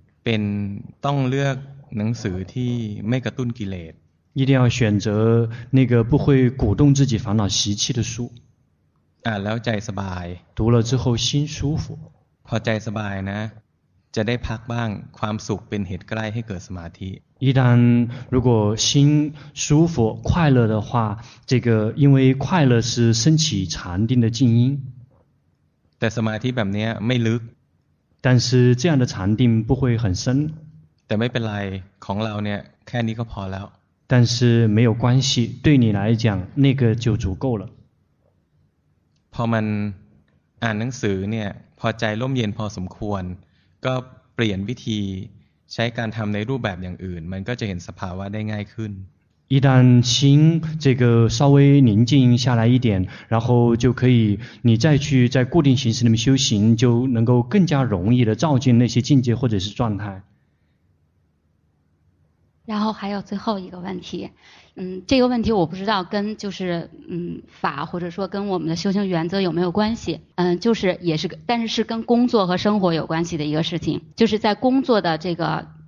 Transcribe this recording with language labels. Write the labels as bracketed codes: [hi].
[th] เป็นต้องเลือกหนังสือที่ไม่กระตุ้นกิเลส [zh] 一定要选择那个不会鼓动自己烦恼习气的书 [th] แล้วใจสบาย [zh] 读了之后心舒服 [th] พอใจสบายนะจะได้พักบ้างความสุขเป็นเหตุใกล้ให้เกิดสมาธิ [zh] 一旦如果心舒服快乐的话这个因为快乐是升起禅定的静音 [th] แต่สมาธิแบบนี้ไม่ลึก [zh] 但是这样的禅定不会很深 [th] แต่ไม่เป็นไรของเราเนี่ยแค่นี้ก็พอแล้ว [zh] 但是没有关系对你来讲那个就足够了 [th] พอมันอ่านหนังสือเนี่ยพอใจร่มเย็นพอสมควรก็เปลี่ยนวิธีใช้การทำในรูปแบบอย่างอื่นมันก็จะเห็นสภาวะได้ง่ายขึ้น [zh] 一旦心这个稍微宁静下来一点然后就可以你再去在固定形式里面修行就能够更加容易的照进那些境界或者是状态然后还有最后一个问题这个问题我不知道跟就是法或者说跟我们的修行原则有没有关系就是也是但是是跟工作和生活有关系的一个事情就是在工作的这个